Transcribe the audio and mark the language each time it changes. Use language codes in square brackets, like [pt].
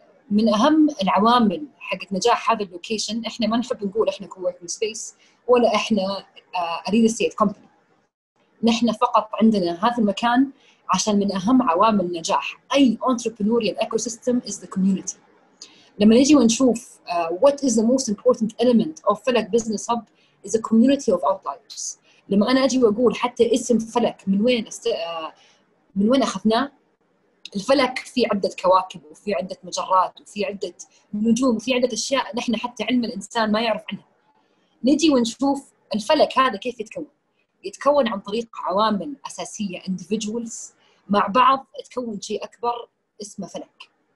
[ar] من أهم العوامل حقت نجاح هذا اللوكيشن، إحنا ما نحب نقول إحنا [en] coworking space [ar] ولا إحنا [en] real estate company, [ar] نحن فقط عندنا هذا المكان عشان من أهم عوامل نجاح أي [en] entrepreneurial ecosystem is the community. [ar] لما نجي ونشوف [en] what is the most important element of فلك business hub is a community of outliers. [ar] لما أنا أجي وأقول حتى اسم فلك من وين من وين أخذناه، الفلك في عدة كواكب وفي عدة مجرات وفي عدة نجوم وفي عدة أشياء نحن حتى علم الإنسان ما يعرف عنها. نجي ونشوف الفلك هذا كيف يتكون. يتكون عن طريق عوامل أساسية individuals مع بعض تكون شيء أكبر اسمه فلك.